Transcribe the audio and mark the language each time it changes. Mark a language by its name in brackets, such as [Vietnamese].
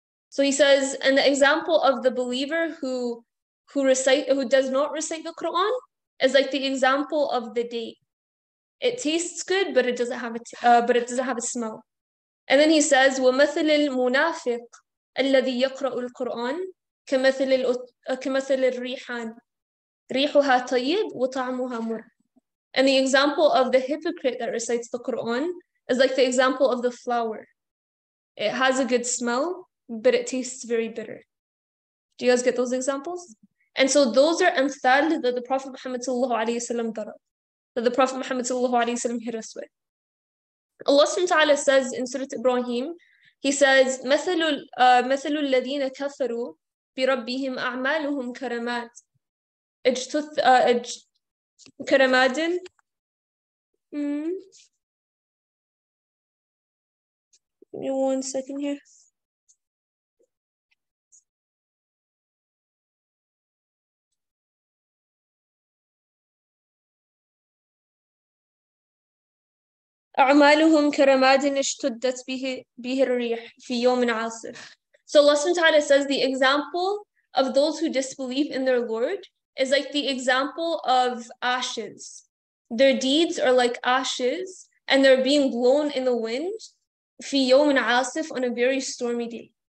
[English] So he says, and the example of the believer who does not recite the Quran is like the example of the date. It tastes good, but it doesn't have a smell. And then he says, [Arabic] ومثل المنافق الذي يقرأ القرآن كمثل الريحان ريحها طيب وطعمها مر. [English] And the example of the hypocrite that recites the Quran is like the example of the flower. It has a good smell, but it tastes very bitter. Do you guys get those examples? And so those are amthal that the Prophet Muhammad sallallahu alayhi wa sallam darab, that the Prophet Muhammad sallallahu alayhi wa sallam hit us with. Allah subhanahu wa ta'ala says in Surah Ibrahim, he says, [Arabic] مثل الذين كفروا بربهم أعمالهم كرمات اجتث اج كرماد [English] Give me one second here. [Arabic] أعمالهم كرماد اشتدت به الريح في يوم عاصف. [English] So Allah subhanahu wa ta'ala says the example of those who disbelieve in their Lord is like the example of ashes. Their deeds are like ashes and they're being blown in the wind [Arabic] fi yawmin asif, [English] on a very stormy day.